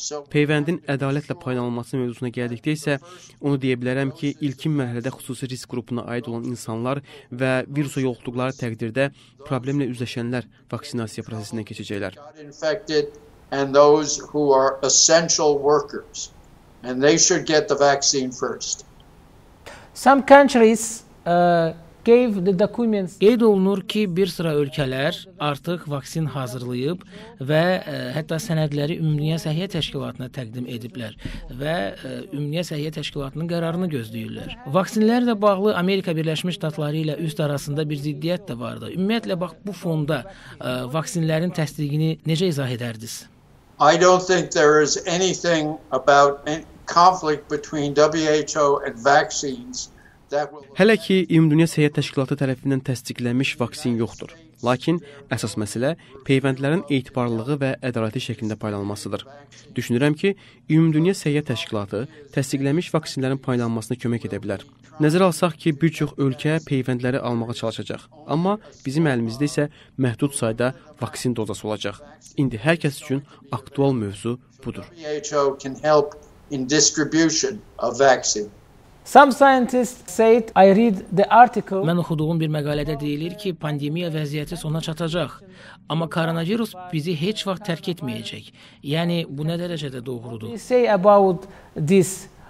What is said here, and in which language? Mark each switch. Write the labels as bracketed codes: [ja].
[az] Peyvəndin ədalətlə paylanılması mövzusuna gəldikdə isə onu deyə bilərəm ki, ilkin mərhələdə xüsusi risk qrupuna aid olan insanlar və virusa yoluxduqları təqdirdə problemlə üzləşənlər vaksinasiya prosesindən keçəcəklər. [en] And those who are essential workers, and they should get the vaccine first. Some countries gave the documents. [az] Qeyd olunur ki, bir sıra ölkələr artıq vaksin hazırlayıb və hətta sənədləri Ümumdünya Səhiyyə Təşkilatına təqdim ediblər və Ümumdünya Səhiyyə Təşkilatının qərarını gözləyirlər. Vaksinlərlə bağlı Amerika Birləşmiş Ştatları ilə üst arasında bir ziddiyyət də vardı. Ümumiyyətlə, bax, bu fonda vaksinlərin təsdiqini necə izah edərdiniz? [en] I don't think there is anything about any conflict between WHO and vaccines. [az] Hələ ki, Ümumdünya Səhiyyə Təşkilatı tərəfindən təsdiqlənmiş vaksin yoxdur. Lakin əsas məsələ peyvəndlərin etibarlılığı və ədalətli şəkildə paylanılmasıdır. Düşünürəm ki, Ümumdünya Səhiyyə Təşkilatı təsdiqlənmiş vaksinlərin paylanılmasına kömək edə bilər. Nəzərə alsaq ki, bir çox ölkə peyvəndləri almağa çalışacaq. Amma bizim əlimizdə isə məhdud sayda vaksin dozası olacaq. İndi hər kəs üçün aktual mövzu budur. [en] WHO can help in distribution of vaccine. Some scientists said, I read the article. [az] Mən oxuduğum bir məqalədə deyilir ki, pandemiya vəziyyəti sona çatacaq. Amma koronavirus bizi heç vaxt tərk etməyəcək. Yəni, bu nə dərəcədə doğrudur? [en] What do you say about this?